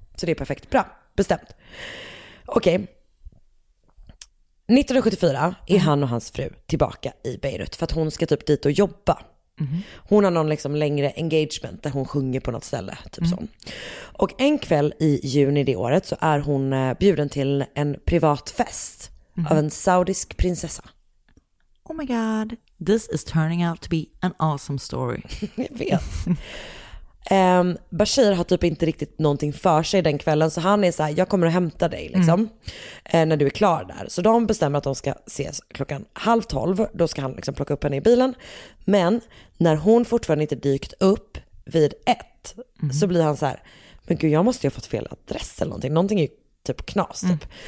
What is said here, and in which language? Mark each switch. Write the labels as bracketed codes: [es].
[sv] Så det är perfekt. Bra. Bestämt. Okej. 1974 är han och hans fru tillbaka i Beirut för att hon ska typ dit och jobba. Mm. Hon har någon liksom längre engagement där hon sjunger på något ställe. Typ så. Och en kväll i juni det året så är hon bjuden till en privat fest av en saudisk prinsessa. [en] Oh my god, this is turning out to be an awesome story. [sv] Jag vet. Bashir har typ inte riktigt någonting för sig den kvällen, så han är så här: jag kommer att hämta dig liksom, när du är klar där. Så de bestämmer att de ska ses klockan 11:30, då ska han liksom plocka upp henne i bilen. Men när hon fortfarande inte dykt upp vid 1, så blir han så här: men gud, jag måste ju ha fått fel adress eller någonting, någonting är ju typ knas typ.